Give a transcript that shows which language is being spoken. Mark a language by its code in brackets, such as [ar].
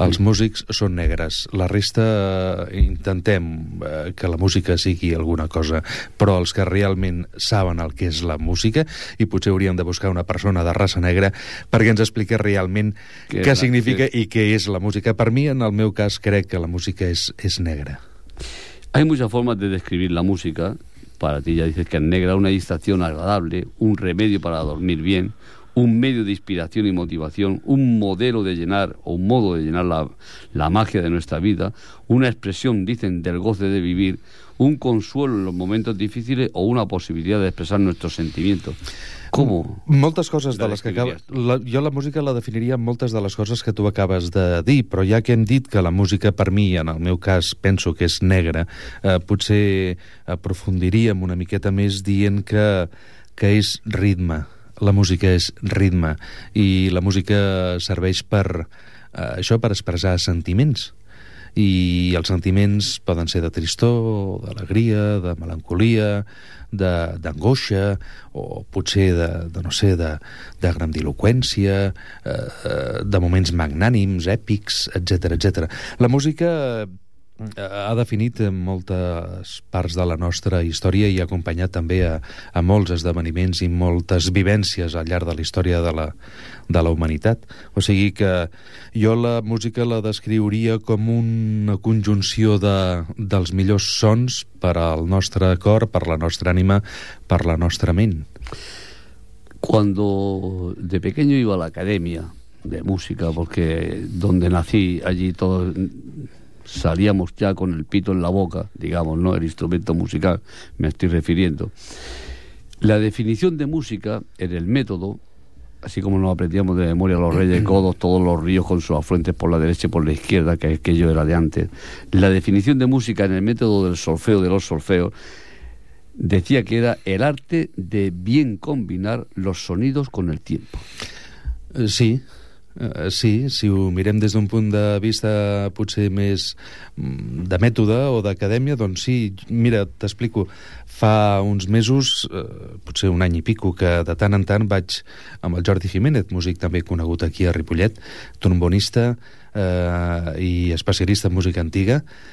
[ca] Els músics són negres, la resta intentem que la música sigui alguna cosa, però els que realment saben el que és la música, i potser hauríem de buscar una persona de raça negra perquè ens expliqui realment què significa i què és la música. Per mi, en el meu cas, crec que la música és negra. [es] Hay muchas formas de describir la música. Para ti ya dices que es negra, una distracción agradable, un remedio para dormir bien, un medio de inspiración y motivación, un modelo de llenar o un modo de llenar la magia de nuestra vida, una expresión, dicen, del goce de vivir, un consuelo en los momentos difíciles o una posibilidad de expresar nuestros sentimientos. ¿Cómo? [ca] Moltes coses de les que acabes... Jo la música la definiria en moltes de les coses que tu acabes de dir, però ja que hem dit que la música per mi, en el meu cas, penso que és negra, potser aprofundiríem una miqueta més dient que és ritme. La música és ritme. I la música serveix per això, per expressar sentiments. I els sentiments poden ser de tristor, d'alegria, de melancolia, d'angoixa, o potser de grandiloquència, de moments magnànims, èpics, etc. La música ha definit moltes parts de la nostra història i ha acompanyat també a molts esdeveniments i moltes vivències al llarg de la història de la humanitat. O sigui que jo la música la descriuria com una conjunció dels millors sons per al nostre cor, per la nostra ànima, per la nostra ment. [es] Cuando de pequeño iba a la academia de música, porque donde nací allí todo... salíamos ya con el pito en la boca, digamos, ¿no? El instrumento musical, me estoy refiriendo. La definición de música en el método, así como nos aprendíamos de memoria los reyes godos, todos los ríos con sus afluentes por la derecha y por la izquierda, que aquello era de antes, la definición de música en el método del solfeo de los solfeos decía que era el arte de bien combinar los sonidos con el tiempo. [ca] Sí. Sí, si ho mirem des d'un punt de vista potser més de mètode o d'acadèmia, doncs sí, mira, t'explico. Fa uns mesos, potser un any i pico, que de tant en tant vaig amb el Jordi Jiménez, músic també conegut aquí a Ripollet, trombonista i especialista en música antiga,